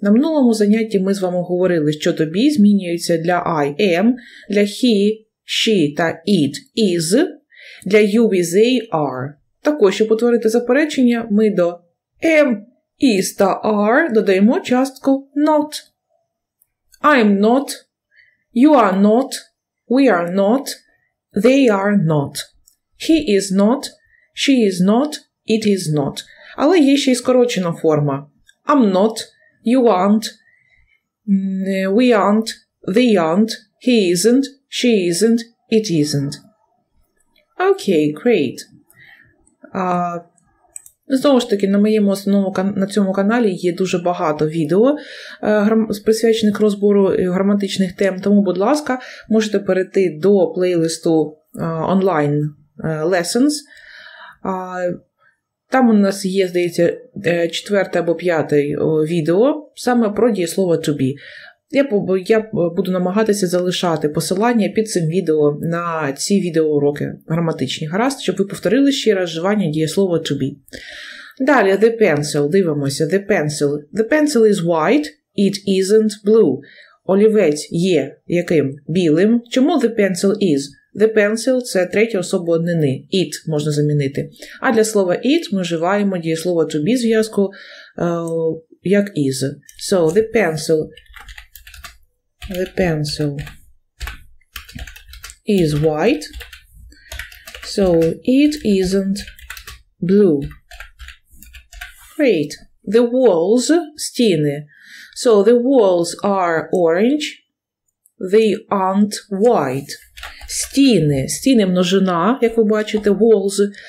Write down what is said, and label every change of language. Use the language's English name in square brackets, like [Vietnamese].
[Ukrainian] На минулому занятті ми з вами говорили, що to be змінюється для I, am, для he, she та it, is, для you, is, they, are. Також, щоб утворити заперечення, ми до am, is та are додаємо частку not. [English] I'm not, you are not, we are not, they are not. He is not, she is not, it is not. [Ukrainian] Але є ще й скорочена форма. [English] I'm not, you aren't, We aren't, they aren't, he isn't, she isn't, it isn't. Окей, great. [Ukrainian] Знову ж таки, на моєму основному на цьому каналі є дуже багато відео, присвячених розбору граматичних тем. Тому, будь ласка, можете перейти до плейлисту онлайн lessons. Там у нас є, здається, четверте або п'яте відео саме про дієслово to be. Я буду намагатися залишати посилання під цим відео на ці відеоуроки граматичні. Гаразд, щоб ви повторили ще раз вживання дієслова to be. [English] Далі, the pencil. [Ukrainian] Дивимося, [English] the pencil. The pencil is white, it isn't blue. [Ukrainian] Олівець є яким? Білим. Чому [English] the pencil is? [Ukrainian] The pencil – це третя особа однини. It можна замінити. А для слова it ми вживаємо дієслова to be зв'язку як is. [English] So, the pencil [Ukrainian] – the [English] pencil is white, so it isn't blue. Great. The walls, [Ukrainian] стіни. [English] So the walls are orange, they aren't white. [Ukrainian] Стіни. Стіни – множина, як ви бачите, walls.